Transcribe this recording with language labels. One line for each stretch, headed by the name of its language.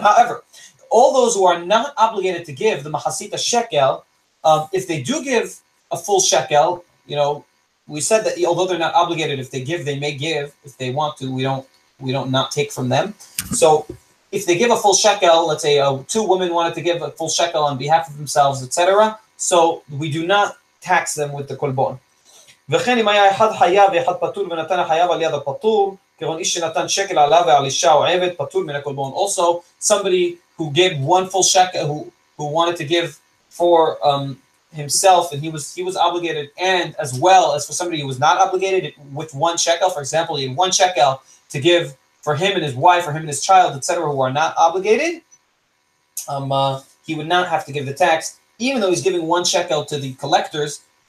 English: However, all those who are not obligated to give the mahasita shekel, if they do give a full shekel, you know, we said that although they're not obligated, if they give, they may give. If they want to, we don't not take from them. So if they give a full shekel, let's say two women wanted to give a full shekel on behalf of themselves, etc. So we do not tax them with the kolbon.
Hebrew: וכן אם היה אחד חייב ואחד פטור ונתן החייב על יד הפטור, כגון איש שנתן שקל עליו ועל אישה או עבד, פטור מן הקולבון.
English: Also, somebody who gave one full shekel, who wanted to give for himself, and he was obligated, and as well as for somebody who was not obligated with one shekel, for example, he had one shekel to give for him and his wife, or him and his child, etc., who are not obligated, he would not have to give the tax, even though he's giving one shekel to the collectors.